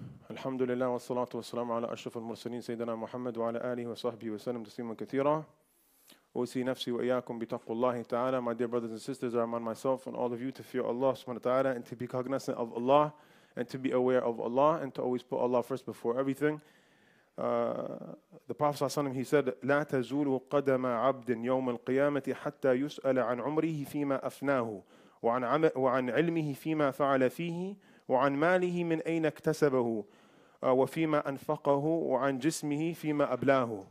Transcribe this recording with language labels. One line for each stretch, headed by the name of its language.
Arabic: الحمد لله والصلاة والسلام على أشرف المرسلين سيدنا محمد وعلى آله وصحبه وسلم تسليما كثيرا. أوصي نفسي وإياكم بتقوى الله تعالى.
English: My dear brothers and sisters, I remind myself and all of you to fear Allah subhanahu wa ta'ala and to be cognizant of Allah and to be aware of Allah and to always put Allah first before everything. The Prophet
Arabic: صلى الله عليه وسلم,
English: he said,
Arabic: لا تزول قدم عبد يوم القيامة حتى يسأل عن عمره فيما أفناه وعن علمه فيما فعل فيه وعن ماله من أين اكتسبه وفيما أنفقه وعن جسمه فيما أبلاه.